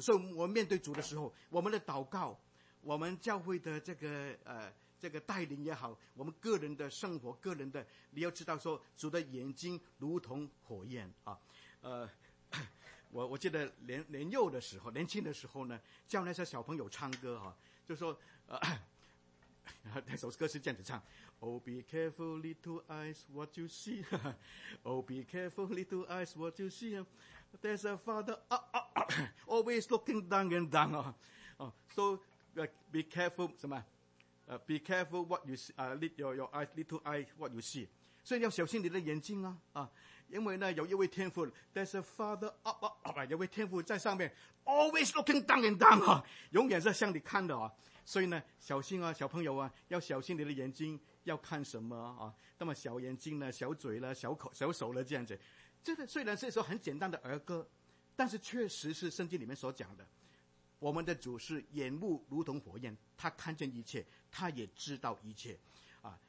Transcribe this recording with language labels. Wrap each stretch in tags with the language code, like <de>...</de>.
<zh>所以我们面对主的时候，我们的祷告，我们教会的这个带领也好，我们个人的生活，个人的，你要知道说，主的眼睛如同火焰啊。我记得年幼的时候，年轻的时候呢，叫那些小朋友唱歌哈，就说那首歌是这样子唱。</zh> <en>Oh, be careful, little eyes, what you see. Oh, be careful, little eyes, what you see. There's a father, always looking down and down. So, be careful,</en> <zh>什么？</zh> <en>Be careful what you see, your eyes, little eyes, what you see.</en> <zh>所以要小心你的眼睛啊，因为呢有一位天父</zh> <en>There's a father up up up</en> <zh>有位天父在上面</zh> <en>Always looking down and down、</en> <zh>啊、永远是向你看的、啊、所以呢小心啊小朋友啊要小心你的眼睛要看什么啊？那么小眼睛呢小嘴呢小口小手呢这样子这个虽然是一首很简单的儿歌但是确实是圣经里面所讲的我们的主是眼目如同火焰他看见一切他也知道一切啊！</zh>